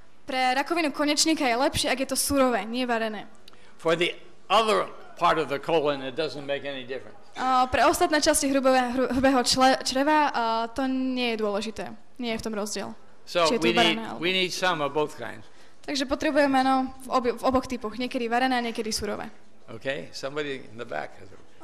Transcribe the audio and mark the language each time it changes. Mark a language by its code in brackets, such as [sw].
[sk] Pre rakovinu konečníka je lepšie, ak je to surové, nie varené. [en] For the other part of the colon, it doesn't make any difference. [sk] Pre ostatné časti hrubého čreva, to nie je dôležité. Nie je v tom rozdiel. [en] So we need some of both kinds. [sk] Takže potrebujeme v oboch typoch, niekedy varené a niekedy surové. [en] Okay, somebody in the back has a...